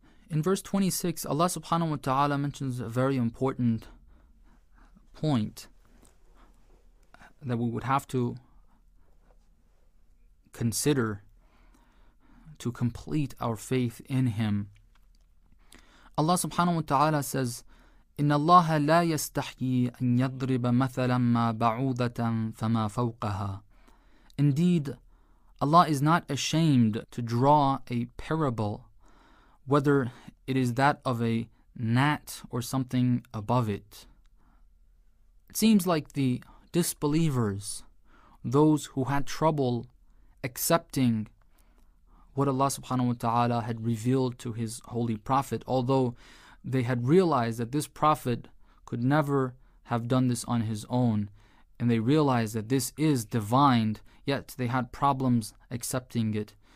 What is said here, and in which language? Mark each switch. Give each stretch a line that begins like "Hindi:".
English: In verse 26, Allah subhanahu wa ta'ala mentions a very important point that we would have to consider to complete our faith in Him. Allah subhanahu wa ta'ala says,
Arabic: إِنَّ اللَّهَ لَا يَسْتَحْيِي أَنْ يَضْرِبَ مَثَلًا مَا بَعُوذَةً فَمَا فَوْقَهَا.
English: Indeed, Allah is not ashamed to draw a parable, whether it is that of a gnat or something above it. It seems like the disbelievers, those who had trouble accepting what Allah subhanahu wa ta'ala had revealed to His Holy Prophet, although they had realized that this Prophet could never have done this on his own, and they realized that this is divine, yet they had problems accepting it.